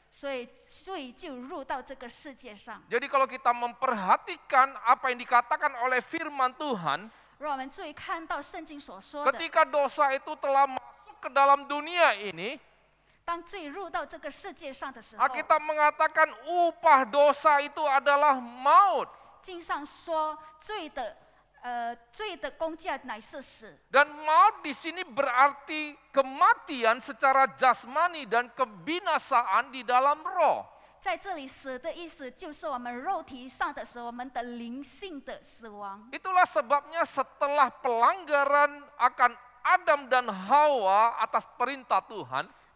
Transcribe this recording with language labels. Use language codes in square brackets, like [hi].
[zh] 所以罪就入到这个世界上. [id] Jadi kalau kita memperhatikan apa yang dikatakan oleh firman Tuhan, [zh] 若我们注意看到圣经所说的, [id] ketika dosa itu telah masuk ke dalam dunia ini, [zh] 当罪入到这个世界上的时候, [id] Alkitab mengatakan upah dosa itu adalah maut. [zh] 经上说罪的, 罪的工价乃是死. [id] Dan maut di sini berarti kematian secara jasmani dan kebinasaan di dalam roh. [zh] 在这里死的意思就是我们肉体上的死，我们的灵性的死亡. [id] Itulah sebabnya setelah pelanggaran akan Adam dan Hawa atas perintah Tuhan,